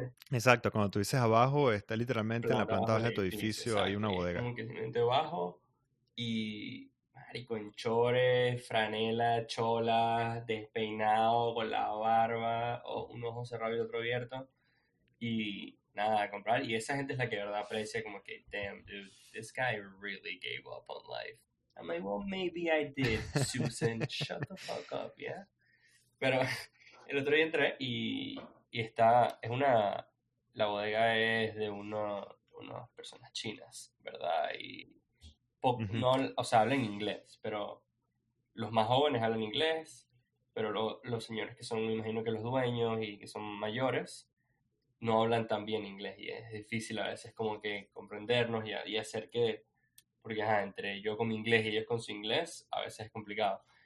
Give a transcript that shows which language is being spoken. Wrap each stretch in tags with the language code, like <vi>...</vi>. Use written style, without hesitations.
<es>Exacto, cuando tú dices abajo, está literalmente en la planta baja de tu edificio, hay una bodega. Como que simplemente bajo y... con chores, franela, chola, despeinado, con la barba, un ojo cerrado y otro abierto, y nada, a comprar. Y esa gente es la que de verdad aprecia, como que,</es> <en>damn, dude, this guy really gave up on life. I'm like, well, maybe I did, Susan, shut the fuck up, yeah?</en> <es>Pero el otro día entré y está, es una, la bodega es de unas personas chinas, ¿verdad? Y... no, o sea, hablan inglés, pero los más jóvenes hablan inglés, pero los señores que son, me imagino que los dueños y que son mayores, no hablan tan bien inglés y es difícil a veces como que comprendernos y hacer que, porque ajá, entre yo con mi inglés y ellos con su inglés, a veces es complicado.</es>